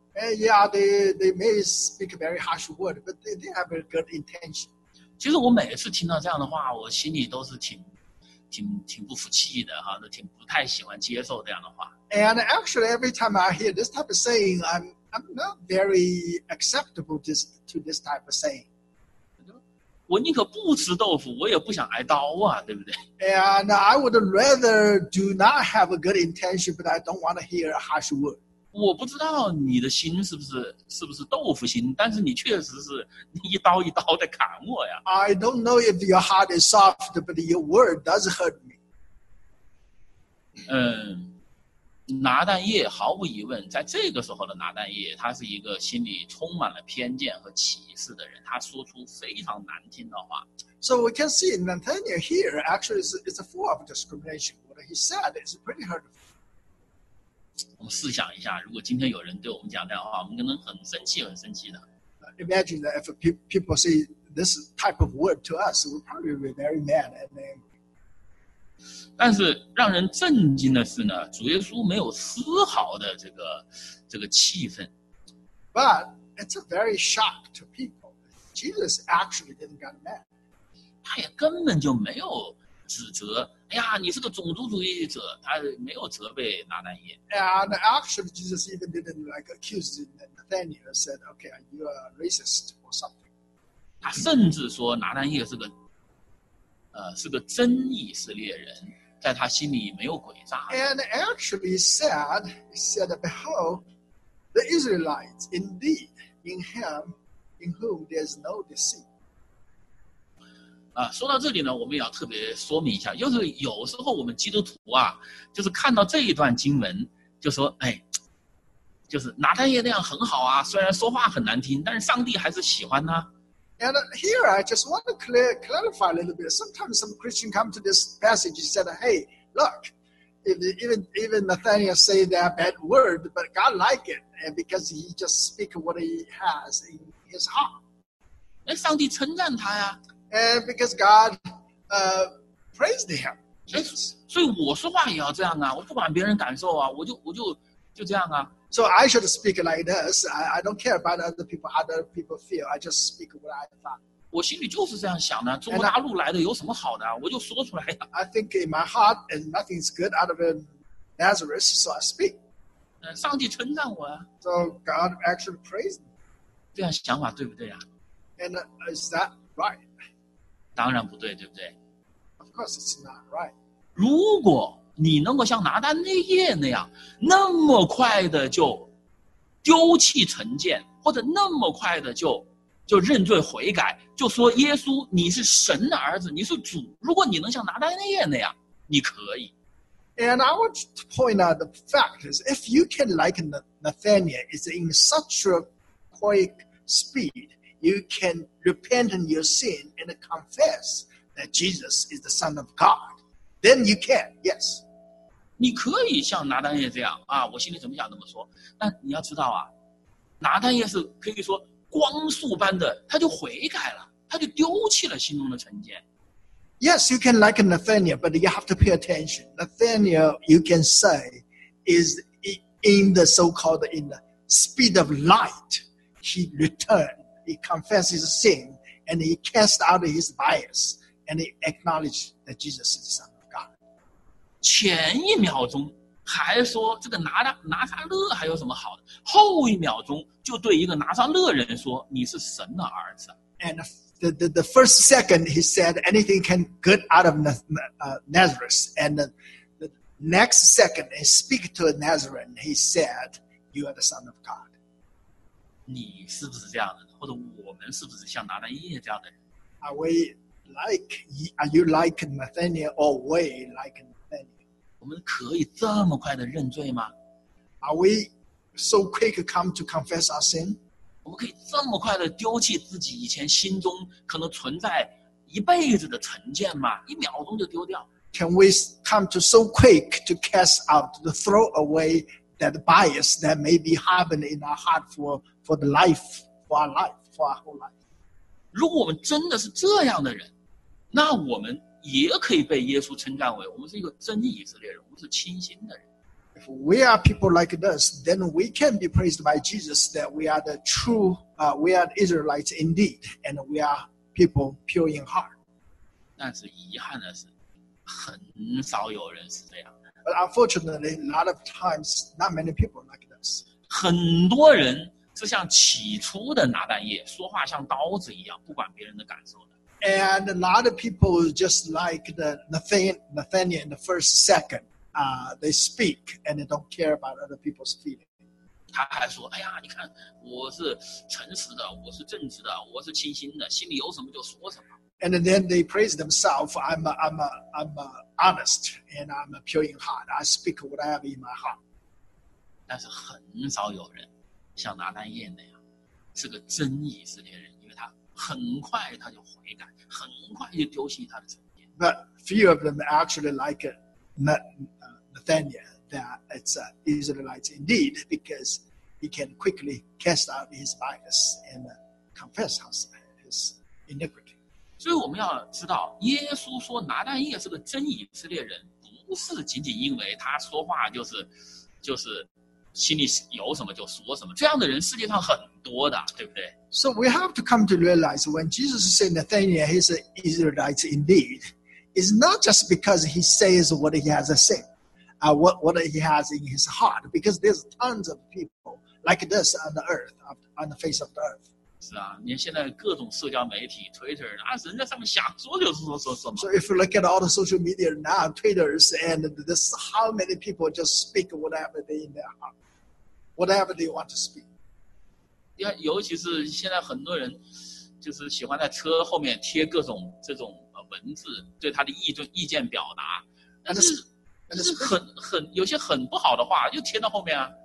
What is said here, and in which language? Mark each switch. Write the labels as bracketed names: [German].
[English] Yeah, they may speak a very harsh word, but they have a good intention. [Chinese] 其实我每次听到这样的话，我心里都是挺不服气的哈，都挺不太喜欢接受这样的话。 [English] And actually, every time I hear this type of saying, I'm not very acceptable to this type of saying. [Chinese] 我宁可不吃豆腐，我也不想挨刀啊，对不对 [English] ？And I would rather do not have a good intention, but I don't want to hear a harsh word. [Chinese] 我不知道你的心是不是豆腐心，但是你确实是一刀一刀的砍我呀。 [English] I don't know if your heart is soft, but your word does hurt me. [Chinese] 拿但业毫无疑问，在这个时候的拿但业，他是一个心里充满了偏见和歧视的人，他说出非常难听的话。 [English] So we can see Nathaniel here actually is a form of discrimination. What he said is pretty hurtful. [Chinese] 我们试想一下，如果今天有人对我们讲这样的话，我们可能很生气，很生气的。 [English] Imagine that if people say this type of word to us, we probably be very mad and then. [Chinese] 但是让人震惊的是呢，主耶稣没有丝毫的这个气愤。 [English] But it's a very shock to people. Jesus actually didn't get mad. [Chinese] 他也根本就没有指责，哎呀，你是个种族主义者，他没有责备拿单耶。 [English] And actually, Jesus even didn't like accuse Nathaniel, said, okay, are you a racist or something? [Chinese] 他甚至说拿单耶是个。是个真以色列人，在他心里没有诡诈。 [English] And actually said, behold, the Israelites indeed in him in whom there's no deceit. [Chinese] 说到这里呢，我们也要特别说明一下，就是有时候我们基督徒啊，就是看到这一段经文，就说，哎，就是拿单耶那样很好啊，虽然说话很难听，但是上帝还是喜欢他。 [English] And here, I just want to clarify a little bit. Sometimes some Christian come to this passage and said, hey, look, even Nathaniel say that bad word, but God like it, and because he just speak what he has in his heart. [Chinese] 哎，上帝称赞他呀。 [English] And because God praised him. [Chinese] 所以我说话也要这样啊，我不管别人感受啊，我就这样啊。 [English] So I should speak like this. I don't care about other people feel. I just speak what I thought. [Chinese] 我心里就是这样想的。中国大陆来的有什么好的？我就说出来呀。 [English] I think in my heart, and nothing's good out of Nazareth, so I speak. [Chinese] 上帝称赞我啊。 [English] So God actually praised me. [Chinese] 这样想法对不对啊？ [English] And is that right? [Chinese] 当然不对，对不对？ [English] Of course, it's not right. [Chinese] 如果你能够像拿单耶那样那么快的就丢弃成见，或者那么快的就认罪悔改，就说耶稣你是神的儿子，你是主，如果你能像拿单耶那样，你可以。 [English] And I want to point out the fact is if you can like Nathaniel is in such a quick speed, you can repent in your sin and confess that Jesus is the Son of GodThen you can, yes. [Chinese] 你可以像拿单耶这样啊，我心里怎么想怎么说。但你要知道啊，拿单耶是可以说光速般的，他就悔改了，他就丢弃了心中的成见。 [English] Yes, you can like Nathaniel, but you have to pay attention. Nathaniel, you can say, is in the so-called in the speed of light. He returned, he confessed his sin, and he cast out his bias, and he acknowledged that Jesus is the Son. [Chinese] 前一秒钟还说这个拿撒勒还有什么好的，后一秒钟就对一个拿撒勒人说你是神的儿子。 [English] And the first second he said anything can good out of Nazareth, and the next second he speak to a Nazarene, he said you are the Son of God. [Chinese] 你是不是这样的，或者我们是不是像拿单耶这样的人？ [English] Are you like Nathaniel or we like [Chinese] 我们可以这么快的认罪吗？ [English] Are we so quick come to confess our sin? [Chinese] 我们可以这么快地丢弃自己以前心中可能存在一辈子的成见吗？一秒钟就丢掉？ [English] Can we come to so quick to cast out, to throw away that bias that may be harboring in our heart for the life, for our life, for our whole life? [Chinese] 如果我们真的是这样的人，那我们也可以被耶稣称赞为我们是一个真以色列人，我们是清心的人。 [English] If we are people like this, then we can be praised by Jesus that we are the true, we are the Israelites indeed, and we are people pure in heart. [Chinese] 但是遗憾的是，很少有人是这样的。 [English] But unfortunately, a lot of times, not many people like this. [Chinese] 很多人是像起初的拿单叶，说话像刀子一样，不管别人的感受的。 [English] And a lot of people just like the Nathaniel in the first second. They speak and they don't care about other people's feelings. [Chinese] 他还说，哎呀，你看，我是诚实的，我是正直的，我是清心的，心里有什么就说什么。 [English] And then they praise themselves. I'm honest and I'm a pure in heart. I speak what I have in my heart. [Chinese] 但是很少有人像拿单叶那样是个真以色列人，因为他很快他就悔改，很快就丢弃他的成见。 [English] But few of them actually like it. Nathaniel, that it's an Israelite indeed, because he can quickly cast out his bias and confess his iniquity. [Chinese] 所以我们要知道，耶稣说拿单叶是个真以色列人，不是仅仅因为他说话就是心里有什么就说什么。这样的人世界上很多的，对不对？ [English] So we have to come to realize when Jesus said Nathaniel, he's an Israelite indeed. It's not just because he says what he has said, what he has in his heart, because there's tons of people like this on the earth, on the face of the earth. [Chinese] 是啊，你看现在各种社交媒体 ,Twitter, 啊，人家上面想说就是说嘛。 [English] So if you look at all the social media now, Twitters, and this, how many people just speak whatever they in their heart, whatever they want to speak. [Chinese] 尤其是现在很多人就是喜欢在车后面贴各种这种文字对他的意见表达，但是 很有些很不好的话就贴到后面啊。